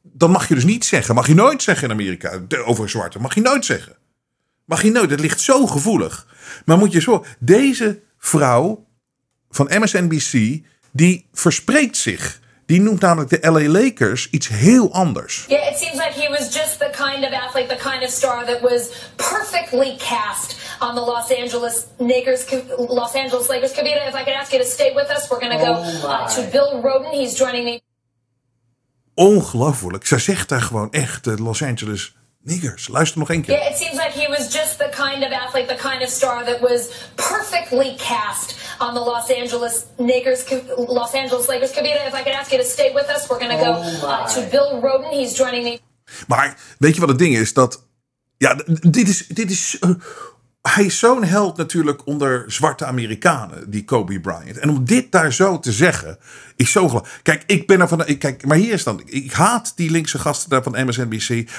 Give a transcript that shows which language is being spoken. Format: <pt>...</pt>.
<nl>Dat mag je dus niet zeggen. Mag je nooit zeggen in Amerika. Over zwarte. Mag je nooit zeggen. Mag je nooit. Het ligt zo gevoelig. Maar moet je zo. Deze vrouw van MSNBC. Die verspreekt zich. Die noemt namelijk de LA Lakers iets heel anders.</nl> <en>Yeah, it seems like he was just the kind of athlete. The kind of star that was perfectly cast. On the Los Angeles Lakers. Kavita, if I could ask you to stay with us. We're going to go to Bill Roden. He's joining me.</en> <nl>Ongelooflijk. Zij zegt daar gewoon echt de Los Angeles niggers. Luister nog één keer.</nl> <en>Yeah, it seems like he was just the kind of athlete, the kind of star that was perfectly cast on the Los Angeles Lakers. Kavita, if I could ask you to stay with us, we're going to go to Bill Roden. He's joining me.</en> <nl>Maar weet je wat het ding is? Dat ja, dit is. Hij is zo'n held natuurlijk onder zwarte Amerikanen, die Kobe Bryant. En om dit daar zo te zeggen, is zo geloof. Kijk, ik ben ervan... Maar hier is dan... Ik haat die linkse gasten daar van MSNBC.</nl>